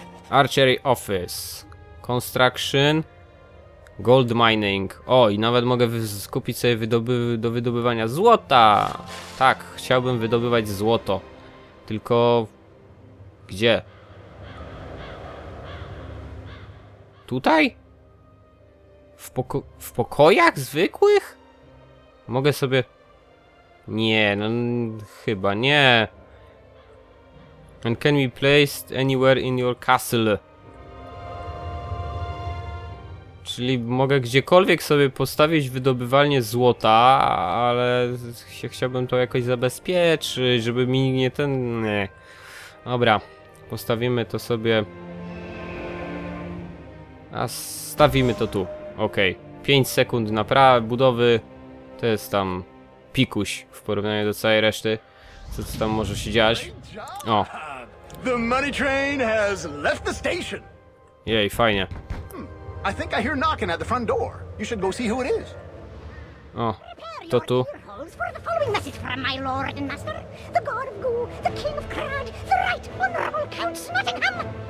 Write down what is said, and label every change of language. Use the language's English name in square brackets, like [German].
[English] Archery Office, Construction, Gold Mining. [Polish] O, i nawet mogę skupić sobie do wydobywania złota! Tak, chciałbym wydobywać złoto. Tylko... gdzie? Tutaj? W pokojach zwykłych? Mogę sobie... Nie, no chyba nie. [English] And can be placed anywhere in your castle. [Polish] Czyli mogę gdziekolwiek sobie postawić wydobywalnię złota, ale chciałbym to jakoś zabezpieczyć, żeby mi nie ten... Nie. Dobra, postawimy to sobie... A stawimy to tu. Okej, okay. 5 sekund na budowy, to jest tam pikuś w porównaniu do całej reszty, co to tam może się dziać. O! [English] The money train has left the station. [Polish] Jej, fajnie. [English] I think I hear knocking at the front door. You should go see who it is. [Polish] O, to tu. [English] For the following message from my lord and master, the god of Goo, the king of Crad, the right honorable count Smuttingham.